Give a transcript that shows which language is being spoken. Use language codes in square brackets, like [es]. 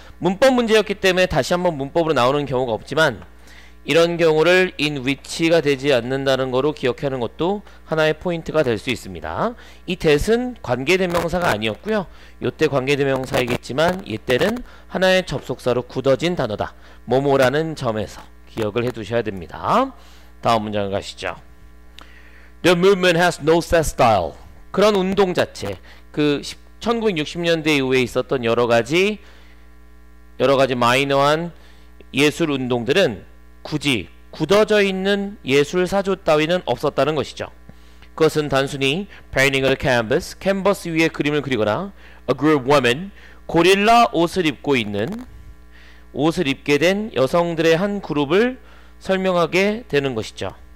[ko] 문법 문제였기 때문에 다시 한번 문법으로 나오는 경우가 없지만 이런 경우를 in which가 되지 않는다는 거로 기억하는 것도 하나의 포인트가 될 수 있습니다. 이 that은 관계대명사가 아니었고요. 이때 관계대명사이겠지만 이때는 하나의 접속사로 굳어진 단어다. 뭐뭐라는 점에서 기억을 해 두셔야 됩니다. 다음 문장 가시죠. [en] The movement has no set style. [ko] 그런 운동 자체, 그 1960년대 이후에 있었던 여러 가지 마이너한 예술 운동들은 굳이 굳어져 있는 예술 사조 따위는 없었다는 것이죠. 그것은 단순히 [en] painting a canvas, [ko] 캔버스 위에 그림을 그리거나 [en] a group woman, [ko] 고릴라 옷을 입고 있는 옷을 입게 된 여성들의 한 그룹을 설명하게 되는 것이죠.